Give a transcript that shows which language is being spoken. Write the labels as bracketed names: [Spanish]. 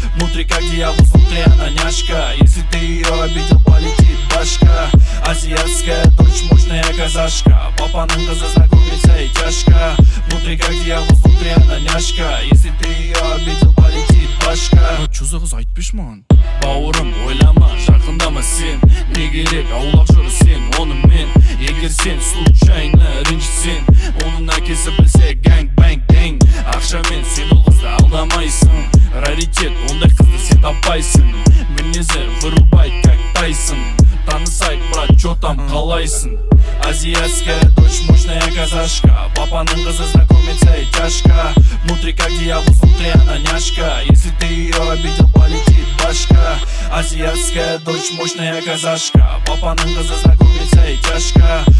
[Russian] Внутри как дьявол, внутри она няшка. Если ты ее обидел, полетит башка. Азиатская дочь, мощная казашка. [Kazakh] Папаның қызы [Russian] знакомится и тяжко. Внутри как дьявол, внутри она няшка. Если ты ее обидел, полетит башка. Чё за [Kazakh] қыз, айтпеш маған? Бауырым, ойлама, жақындама сен. Не керек, аулақ жүрі сен, оның мен. Егер сен случайно ренжітсен, оның әкесі білсе гэнг бэнг дэнг. Ақшамен сен ол қызды алдамайсың. Раритет, ондай қызды сен таппайсың. [Russian] Мінезі вырубай, как Тайсон. [Kazakh] Танысай, брат, [Russian] чё там [Kazakh] қалайсың? [Russian] Азиатская дочь, мощная казашка. [Kazakh] Папаның қызы [Russian] знакомится и тяжко. Внутри как дьявол, внутри она няшка. Если ты ее обидел, полетит башка. Азиатская дочь, мощная казашка. [Kazakh] Папаның қызы [Russian] знакомится и тяжко.